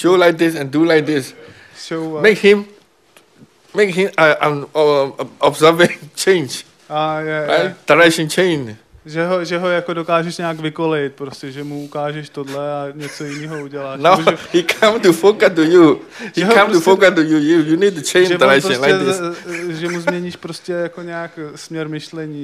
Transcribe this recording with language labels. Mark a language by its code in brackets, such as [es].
[en] Show like this and do like this. Show Make him observing change. Direction change. [cs] Že ho jako dokážeš nějak vykolejit, prostě, že mu ukážeš tohle a něco jiného uděláš. [en] No, he come to focus to you. You need to change direction [cs] prostě, [en] like this. [cs] Že mu změníš prostě jako nějak směr myšlení.